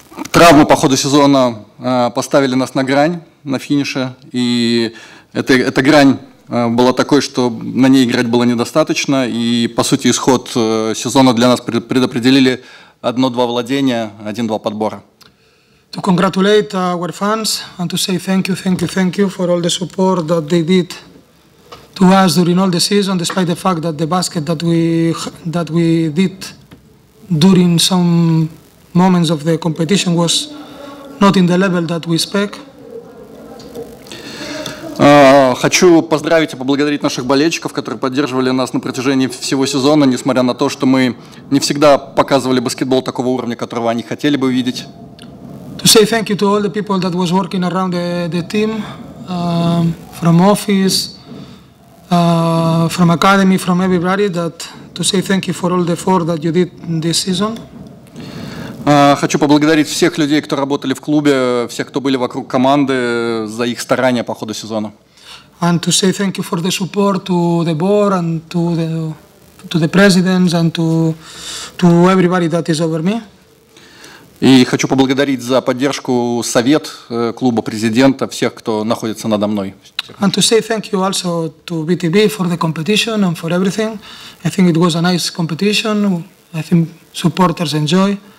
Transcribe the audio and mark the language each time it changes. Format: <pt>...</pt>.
<ru>Травмы по ходу сезона поставили нас на грань, на финише, и эта грань была такой, что на ней играть было недостаточно, и, по сути, исход сезона для нас предопределили 1-2 владения, 1-2 подбора.</ru> <en>To congratulate our fans and to say thank you for all the support that they did to us during all the season, despite the fact that the basket that we did during some moments of the competition was not in the level that we expect.</en> <ru>Хочу поздравить и поблагодарить наших болельщиков, которые поддерживали нас на протяжении всего сезона, несмотря на то, что мы не всегда показывали баскетбол такого уровня, которого они хотели бы видеть.</ru> <en>To say thank you to all the people that was working around the team, from office, from academy, from everybody that to say thank you for all the effort that you did this season.</en> <ru>Хочу поблагодарить всех людей, кто работали в клубе, всех, кто были вокруг команды, за их старания по ходу сезона.</ru> <en>And to say thank you for the support to the board and to the presidents and to everybody that is over me.</en> <ru>И хочу поблагодарить за поддержку совет клуба, президента, всех, кто находится надо мной.</ru> <en>And to say thank you also to BTB for the competition and for everything. I think it was a nice competition. I think supporters enjoy.</en>